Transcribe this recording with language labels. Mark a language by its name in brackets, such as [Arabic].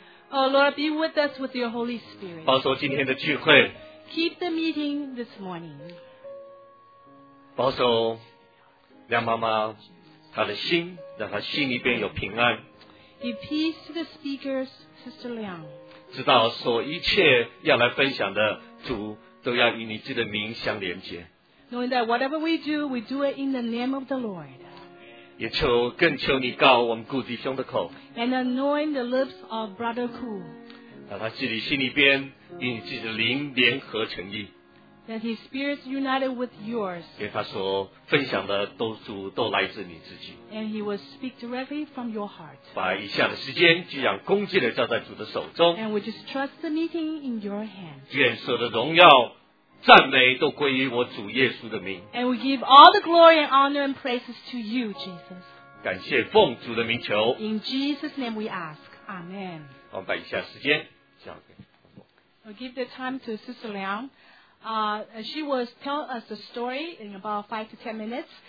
[English] Lord, be with us with your Holy Spirit. [Chinese] 保守今天的聚会。 [English] Keep the meeting this morning. [Chinese] 保守梁妈妈她的心，让她心里边有平安。 [English] Give peace to the speakers, Sister Liang. [Chinese] 知道所一切要来分享的主，都要与你自己的名相连接。 [English] Knowing that whatever we do it in the name of the Lord. [Chinese] 也求更求你告我们顾弟兄的口 [English] and anoint the lips of Brother Ku [Chinese] 让他自己心里边与你自己的灵联合成义 [English] that his spirit united with yours. [Chinese] 因为他说分享的都主都来自你自己。 [English] And he will speak directly from your heart. [Chinese] 把以下的时间就像恭敬的交在主的手中。 [English] And we just trust the meeting in your hands. [Chinese] 愿所有的荣耀赞美都归于我主耶稣的名。 [English] And we give all the glory and honor and praises to you, Jesus. [Chinese] 感谢奉主的名求。 [English] In Jesus' name we ask. Amen. [Chinese] 我们把以下时间交给。 [English] We'll give the time to Sister Liang. She will tell us a story in about 5 to 10 minutes.